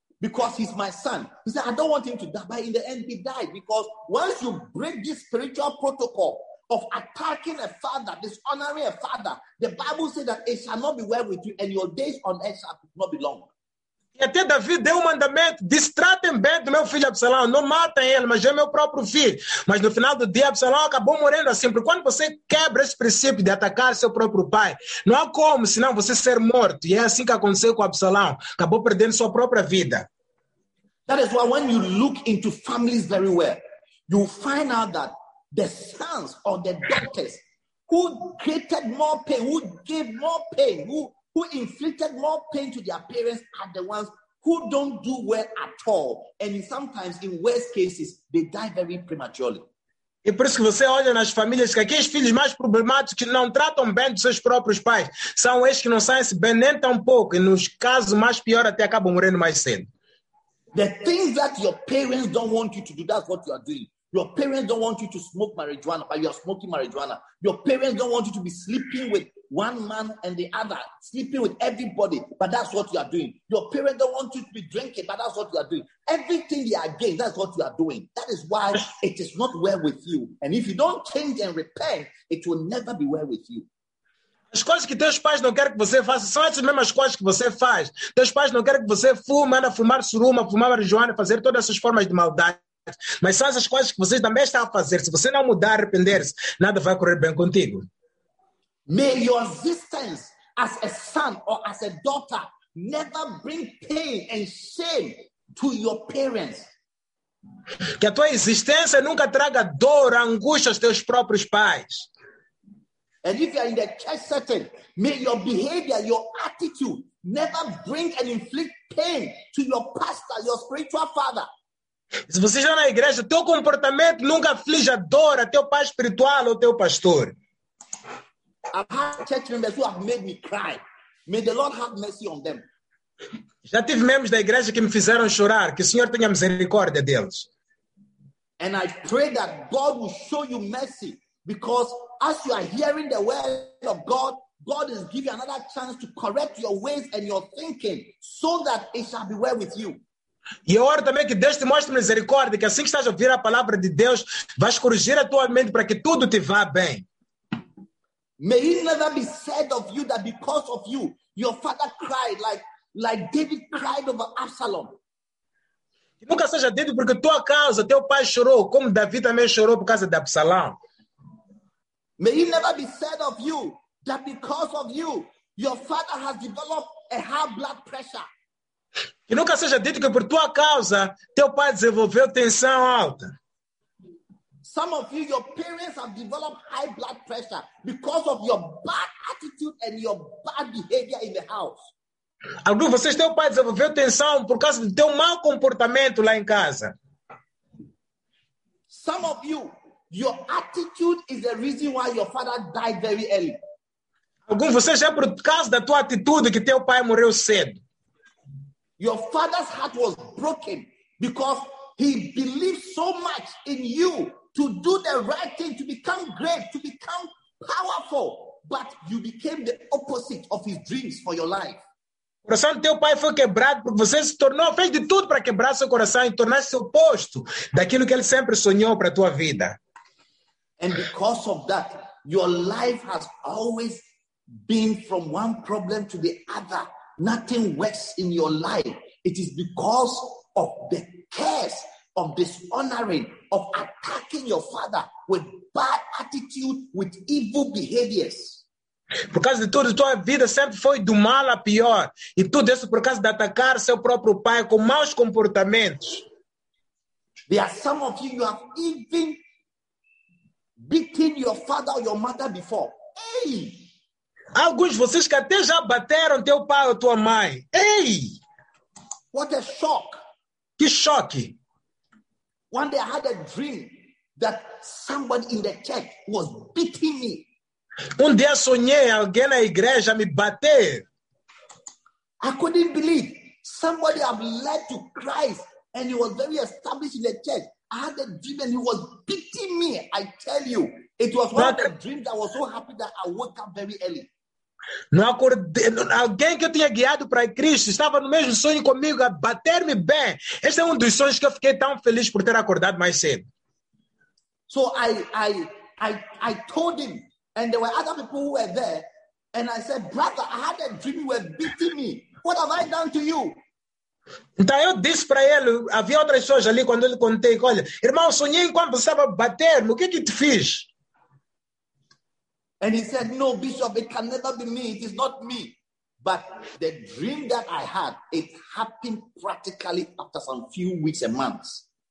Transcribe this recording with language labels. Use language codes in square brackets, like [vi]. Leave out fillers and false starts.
[en] Because he's my son. He said, I don't want him to die. But in the end, he died. Because once you break this spiritual protocol of attacking a father, dishonoring a father, the Bible says that it shall not be well with you and your days on earth shall not be long. [pt] E até Davi deu um mandamento, destratem bem do meu filho Absalão, não matem ele, mas é meu próprio filho. Mas no final do dia, Absalão acabou morrendo assim. Porque quando você quebra esse princípio de atacar seu próprio pai, não há como, senão você ser morto. E é assim que aconteceu com Absalão. Acabou perdendo sua própria vida. [en] That is why when you look into families very well, you find out that the sons or the daughters who created more pain, who gave more pain, who inflicted more pain to their parents are the ones who don't do well at all. And sometimes, in worst cases, they die very prematurely. [pt] E por isso que você olha nas famílias que aqueles filhos mais problemáticos que não tratam bem dos seus próprios pais são esses que não saem-se bem nem tão pouco. E nos casos mais piores até acabam morrendo mais cedo. [en] The things that your parents don't want you to do, that's what you are doing. Your parents don't want you to smoke marijuana, but you are smoking marijuana. Your parents don't want you to be sleeping with one man and the other, sleeping with everybody, but that's what you are doing. Your parents don't want you to be drinking, but that's what you are doing. Everything they are against, that's what you are doing. That is why it is not well with you. And if you don't change and repent, it will never be well with you. [pt] As coisas que teus pais não querem que você faça são essas mesmas coisas que você faz. Teus pais não querem que você fume, anda a fumar suruma, fumar marijuana, fazer todas essas formas de maldade. Mas são essas coisas que vocês também estão a fazer. Se você não mudar, arrepender-se, nada vai correr bem contigo. [en] May your existence as a son or as a daughter never bring pain and shame to your parents. [pt] Que a tua existência nunca traga dor, angústia aos teus próprios pais. [en] And if you are in the church setting, may your behavior, your attitude never bring and inflict pain to your pastor, your spiritual father. [pt] Se você está na igreja, teu comportamento nunca aflige a dor a teu pai espiritual ou teu pastor. [en] I've had church members who have made me cry. May the Lord have mercy on them. [pt] Já tive membros da igreja que me fizeram chorar. Que o Senhor tenha misericórdia deles. [en] And I pray that God will show you mercy. Because as you are hearing the word of God, God is giving you another chance to correct your ways and your thinking so that it shall be well with you. [pt] E eu oro também que Deus te mostre misericórdia, que assim que estás a ouvir a palavra de Deus, vais corrigir a tua mente para que tudo te vá bem. [en] May it never be said of you that because of you, your father cried like David cried over Absalom. [pt] Que nunca seja dito porque tua causa, teu pai chorou, como Davi também chorou por causa de Absalão. [en] May it never be said of you that because of you, your father has developed a high blood pressure. [pt] Que nunca seja dito que por tua causa teu pai desenvolveu tensão alta. [en] Some of you, your parents have developed high blood pressure because of your bad attitude and your bad behavior in the house. [pt] Alguns de vocês têm o pai desenvolveu tensão por causa do teu mau comportamento lá em casa. [en] Some of you, your attitude is the reason why your father died very early. [pt] Alguns de vocês é por causa da tua atitude que teu pai morreu cedo. [en] Your father's heart was broken because he believed so much in you to do the right thing, to become great, to become powerful, but you became the opposite of his dreams for your life. [pt] O coração do teu pai foi quebrado porque você se tornou, fez de tudo para quebrar seu coração e tornar-se oposto daquilo que ele sempre sonhou para a tua vida. [en] And because of that, your life has always been from one problem to the other. Nothing works in your life. It is because of the curse of dishonoring, of attacking your father with bad attitude, with evil behaviors. [pt] Por causa de tudo, tua vida sempre foi do mal a pior. E tudo isso por causa de atacar seu próprio pai com maus comportamentos. [en] There are some of you, you have even beaten your father or your mother before. Ei! [pt] Alguns de vocês que até já bateram teu pai ou tua mãe. Ei! [en] What a shock! [pt] Que choque! [en] One day I had a dream that somebody in the church was beating me. [pt] Um dia sonhei alguém na igreja me bater. [en] I couldn't believe somebody had led to Christ and he was very established in the church. I had a dream and he was beating me. I tell you, it was one of the dreams that was so happy that I woke up very early. [pt] Não acordei. Alguém que eu tinha guiado para Cristo estava no mesmo sonho comigo a bater-me bem. Esse é um dos sonhos que eu fiquei tão feliz por ter acordado mais cedo. [en] So I told him. And there were other people who were there. And I said, brother, I had a dream you were beating me. What have I done to you? [pt] Então eu disse para ele, havia outras pessoas ali quando ele contei, olha, irmão, sonhei enquanto você estava batendo, o que que te fiz? [en] And he said, no, bishop, it can never be me, it is not me. But the dream that I had, it happened practically after some few weeks and months.